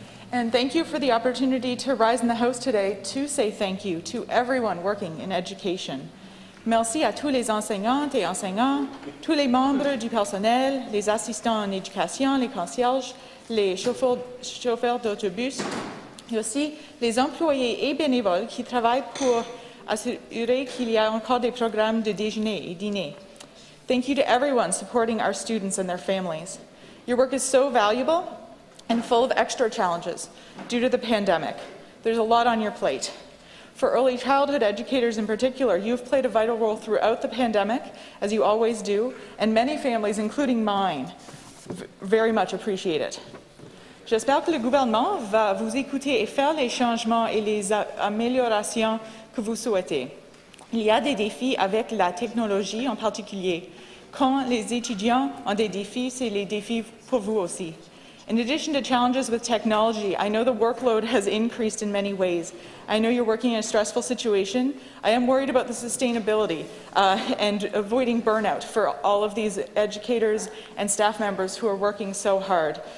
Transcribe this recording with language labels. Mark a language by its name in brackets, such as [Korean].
[English] And thank you for the opportunity to rise in the House today to say thank you to everyone working in education. [French] Merci à tous les enseignantes et enseignants, tous les membres du personnel, les assistants en éducation, les concierges, les chauffeurs d'autobus, et aussi les employés et bénévoles qui travaillent pour assurer qu'il y a encore des programmes de déjeuner et dîner. [English] Thank you to everyone supporting our students and their families. Your work is so valuable and full of extra challenges due to the pandemic. There's a lot on your plate. For early childhood educators in particular, you've played a vital role throughout the pandemic, as you always do, and many families, including mine, very much appreciate it. [French] J'espère que le gouvernement va vous écouter et faire les changements et les améliorations que vous souhaitez. Il y a des défis avec la technologie en particulier. Quand les étudiants ont des défis, c'est les défis pour vous aussi. [English] In addition to challenges with technology, I know the workload has increased in many ways. I know you're working in a stressful situation. I am worried about the sustainability and avoiding burnout for all of these educators and staff members who are working so hard.